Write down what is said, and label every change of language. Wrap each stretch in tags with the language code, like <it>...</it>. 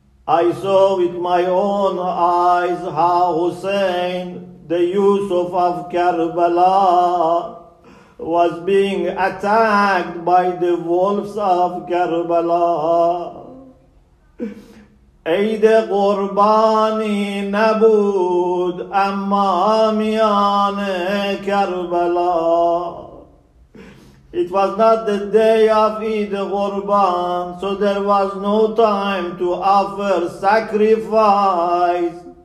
<en>I saw with my own eyes how Hussein, the Yusuf of Karbala, was being attacked by the wolves of Karbala.</en> <fa>عید قربانی نبود اما میان کربلا.</fa> <en>It was not the day of Eid Qurban, so there was no time to offer sacrifice.</en>